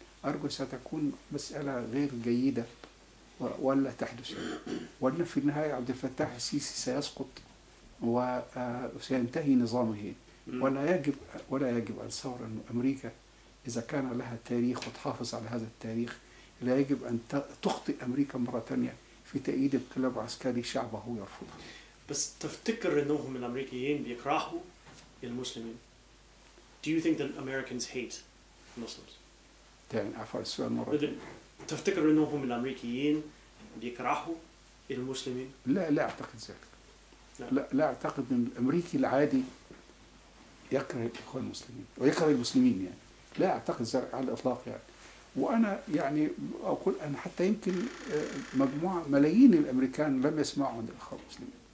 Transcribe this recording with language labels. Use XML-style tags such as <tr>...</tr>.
<ar>أرجو ستكون مسألة غير جيدة ولا تحدث، وأن في النهاية عبد الفتاح السيسي سيسقط وسينتهي نظامه، ولا يجب أن صور أن أمريكا إذا كان لها تاريخ وتحافظ على هذا التاريخ، لا يجب أن تخطئ أمريكا مرة ثانية في تأييد انقلاب عسكري شعبه يرفضه. بس تفتكر انهم الامريكيين بيكرهوا المسلمين؟</ar> <en>Do you think that Americans hate Muslims?</en> <ar>تاني أفعل السؤال مرة. تفتكر انهم الامريكيين بيكرهوا المسلمين؟ لا اعتقد ذلك. لا اعتقد ان الامريكي العادي يكره الاخوان المسلمين ويكره المسلمين يعني. لا اعتقد ذلك على الاطلاق يعني. وانا يعني اقول ان حتى يمكن مجموعة ملايين الامريكان لم يسمعوا عن الاخوان المسلمين.</ar>